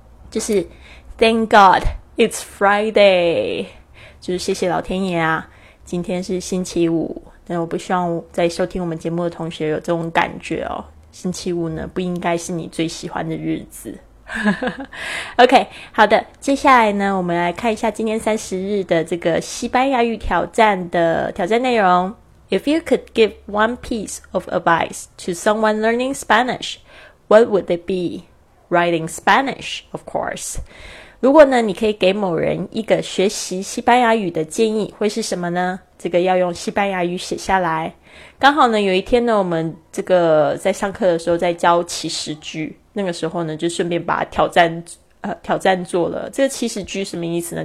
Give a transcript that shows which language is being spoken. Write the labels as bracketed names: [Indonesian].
[Chinese] 就是 [English] Thank God it's Friday， [Chinese] 就是谢谢老天爷啊，今天是星期五。但我不希望在收听我们节目的同学有这种感觉哦，星期五呢不应该是你最喜欢的日子。 OK， 好的，接下来呢，我们来看一下今天30日的这个西班牙语挑战的挑战内容。 [English] If you could give one piece of advice to someone learning Spanish, what would it be? Writing Spanish, of course. [Chinese] 如果呢，你可以给某人一个学习西班牙语的建议，会是什么呢？这个要用西班牙语写下来。刚好呢，有一天呢，我们这个在上课的时候在教祈使句，那个时候呢，就顺便把挑战做了。这个祈使句什么意思呢？